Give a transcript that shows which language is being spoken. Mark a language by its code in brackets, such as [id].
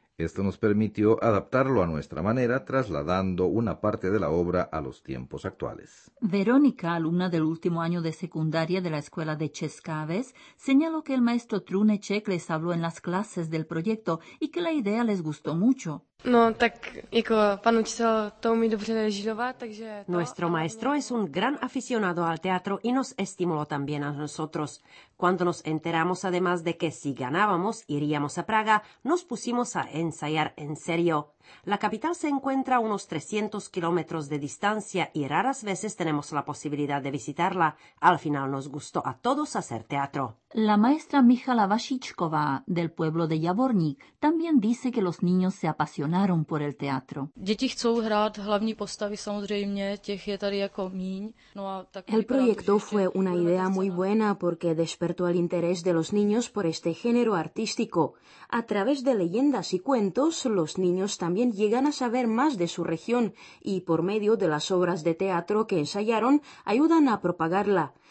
[es] Esto nos permitió adaptarlo a nuestra manera, trasladando una parte de la obra a los tiempos actuales. Verónica, alumna del último año de secundaria de la escuela de Cheskaves, señaló que el maestro Trunecek les habló en las clases del proyecto y que la idea les gustó mucho. [cs] No, tak, jako, pan učitel to umí dobře režírovat, takže... [es] Nuestro maestro es un gran aficionado al teatro y nos estimuló también a nosotros. Cuando nos enteramos además de que si ganábamos iríamos a Praga, nos pusimos a ensayar en serio. La capital se encuentra a unos 300 kilómetros de distancia y raras veces tenemos la posibilidad de visitarla. Al final nos gustó a todos hacer teatro. La maestra Mihála Vašíčková, del pueblo de Javorník, también dice que los niños se apasionaron por el teatro. [cs] Děti chcou hrát hlavní postavy, samozřejmě, těch je tady jako míň. No a [es] el proyecto fue una idea muy buena porque despertó el interés de los niños por este género artístico. A través de leyendas y cuentos, los niños también llegan a saber más de su región y por medio de las obras de teatro que ensayaron ayudan a propagarla.